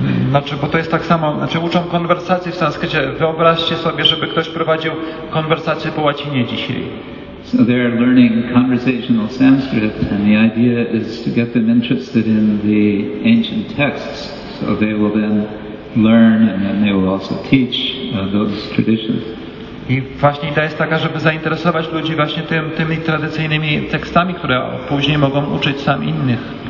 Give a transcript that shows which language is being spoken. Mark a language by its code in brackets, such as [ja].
[pl] Znaczy, bo to jest tak samo, znaczy uczą konwersacji w sanskrycie. Wyobraźcie sobie, żeby ktoś prowadził konwersację po łacinie dzisiaj. [en] So they're learning conversational Sanskrit and the idea is to get them interested in the ancient texts. So they will then learn and then they will also teach those traditions. [pl] I właśnie idea jest taka, żeby zainteresować ludzi właśnie tymi tradycyjnymi tekstami, które później mogą uczyć sam innych.